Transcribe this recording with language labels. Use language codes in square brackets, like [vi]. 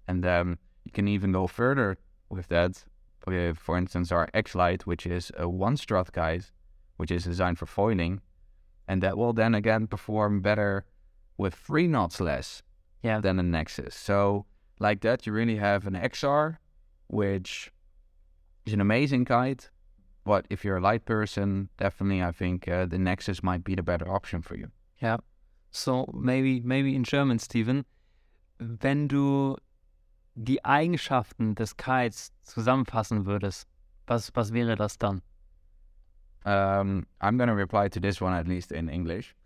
[en] And then you can even go further with that. For instance, our X-Lite, which is a 1-strut kite, which is designed for foiling, and that will then again perform better with 3 knots less than a Nexus. So like that, you really have an XR, which is an amazing kite, but if you're a light person, definitely I think the Nexus might be the better option for you. Yeah. So maybe in German, [de] Steven, wenn du die Eigenschaften des Kites zusammenfassen würdest, was wäre das dann? [en] I'm going to reply to this one at least in English.